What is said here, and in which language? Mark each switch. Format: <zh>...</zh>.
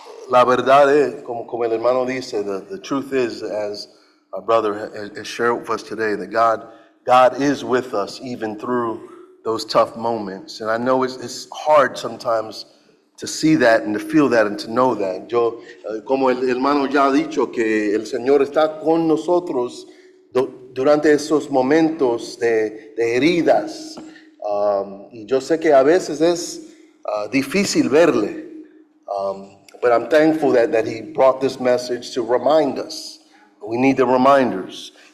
<es>La verdad es, como el hermano dice,</es> <en>the truth is, as our brother has shared with us today, that God is with us even through those tough moments. And I know it's hard sometimes to see that and to feel that and to know that.</en> <es>Yo, como el hermano ya ha dicho, que el Señor está con nosotros durante esos momentos de heridas. Y yo sé que a veces es difícil verle.</es> <en>But I'm thankful that he brought this message to remind us. We need the reminders.</en>